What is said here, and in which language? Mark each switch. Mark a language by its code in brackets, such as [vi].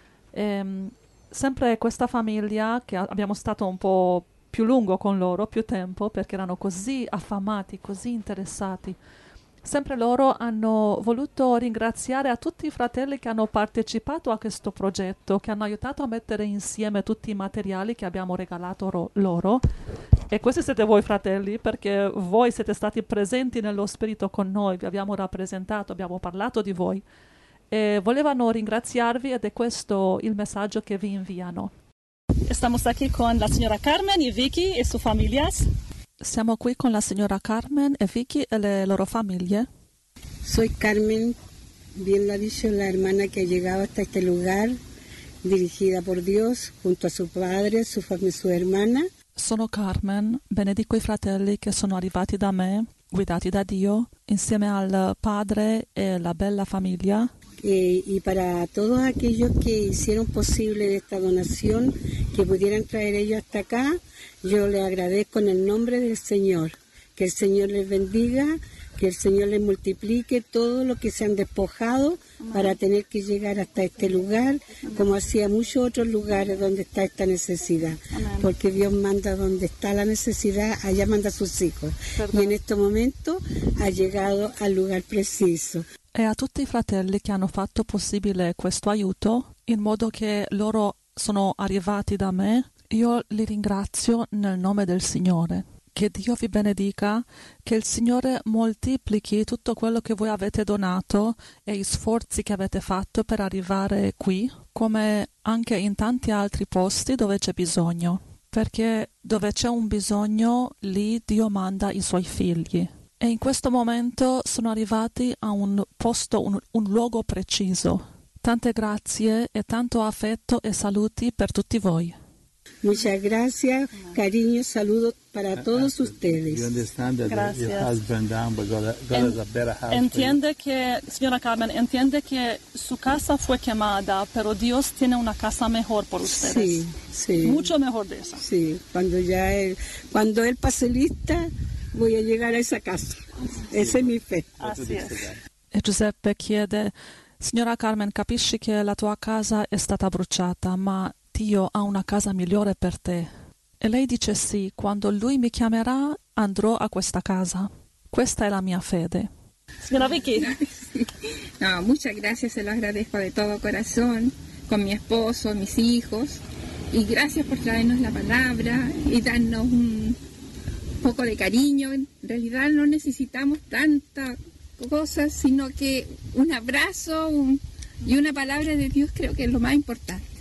[it] E, sempre questa famiglia, che abbiamo stato un po' più lungo con loro, più tempo, perché erano così affamati, così interessati, sempre loro hanno voluto ringraziare a tutti i fratelli che hanno partecipato a questo progetto, che hanno aiutato a mettere insieme tutti i materiali che abbiamo regalato loro. E questi siete voi, fratelli, perché voi siete stati presenti nello spirito con noi, vi abbiamo rappresentato, abbiamo parlato di voi. E volevano ringraziarvi ed è questo il messaggio che vi inviano. [es] Estamos aquí con la signora Carmen y Vicky y su familias. [it] Siamo qui con la signora Carmen e Vicky e le loro famiglie. [es] Soy Carmen, bien la dice la hermana que ha llegado hasta este lugar, dirigida por Dios, junto a su padre, su hermana. [it] Sono Carmen, benedico i fratelli che sono arrivati da me, guidati da Dio, insieme al padre e la bella famiglia. [es] Y para todos aquellos que hicieron posible esta donación, que pudieran traer ellos hasta acá, yo les agradezco en el nombre del Señor. Que el Señor les bendiga, que el Señor les multiplique todo lo que se han despojado para tener que llegar hasta este lugar, como hacía muchos otros lugares donde está esta necesidad. Porque Dios manda donde está la necesidad, allá manda a sus hijos. Y en este momento ha llegado al lugar preciso. [it] e a tutti i fratelli che hanno fatto possibile questo aiuto, in modo che loro sono arrivati da me, io li ringrazio nel nome del Signore. Che Dio vi benedica, che il Signore moltiplichi tutto quello che voi avete donato e gli sforzi che avete fatto per arrivare qui, come anche in tanti altri posti dove c'è bisogno. Perché dove c'è un bisogno, lì Dio manda i suoi figli. E in questo momento sono arrivati a un posto, un luogo preciso. Tante grazie e tanto affetto e saluti per tutti voi. [es] Muchas gracias, cariño, saludo para todos ustedes. [en] You understand that your husband down, but God has a better house. [es] Entiende que, señora Carmen, entiende que su casa fue quemada, pero Dios tiene una casa mejor por ustedes. Sí, sí. Mucho mejor de esa. Sí, cuando él pase lista, voy a llegar a esa casa. Esa es mi fe. Así es. [it] Giuseppe chiede, señora Carmen, capisci que la tua casa è stata bruciata, ma Dio ha una casa migliore per te. E lei dice sì, quando lui mi chiamerà andrò a questa casa. Questa è la mia fede. Signora Vicky. [es] No, muchas gracias, se lo agradezco de todo corazón, con mi esposo, mis hijos, y gracias por traernos la palabra y darnos un poco de cariño. En realidad no necesitamos tanta cosa, sino que un abrazo y una palabra de Dios creo que es lo más importante.